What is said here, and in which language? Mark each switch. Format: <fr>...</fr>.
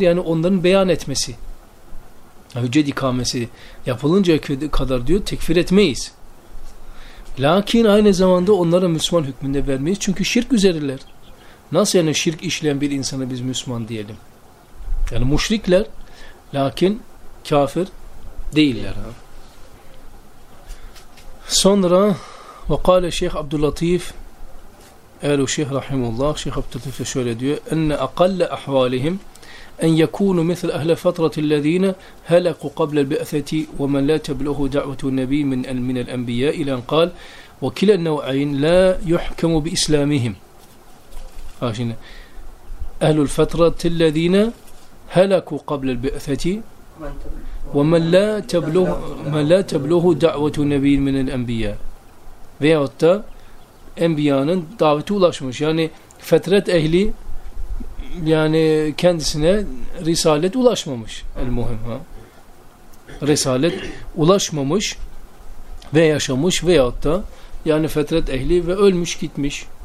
<tr>Yani onların beyan etmesi. Hüccet ikamesi yapılınca kadar diyor tekfir etmeyiz. Lakin aynı zamanda onlara Müslüman hükmünde vermeyiz. Çünkü şirk üzeriler. Nasıl yani şirk işleyen bir insana biz Müslüman diyelim? Yani müşrikler lakin kafir değiller.</tr> <ar>Sonra وقال الشيخ عبد اللطيف قال الشيخ رحمه الله الشيخ عبد اللطيف</ar> <tr>şöyle diyor</tr> <ar>ان اقل احوالهم ان يكونوا مثل اهل فتره الذين هلكوا قبل البعثه ومن لا تبلغه دعوه النبي من الانبياء الى ان قال وكلا النوعين لا يحكم باسلامهم عشان اهل الفتره الذين هلكوا قبل البعثه ومن لا تبلغه دعوه النبي من الانبياء</ar> <tr>veyahut da enbiyanın daveti ulaşmış. Yani fetret ehli yani kendisine risalet ulaşmamış. El-muhim ha. Risalet ulaşmamış ve yaşamış veyahut da yani fetret ehli ve ölmüş gitmiş.</tr>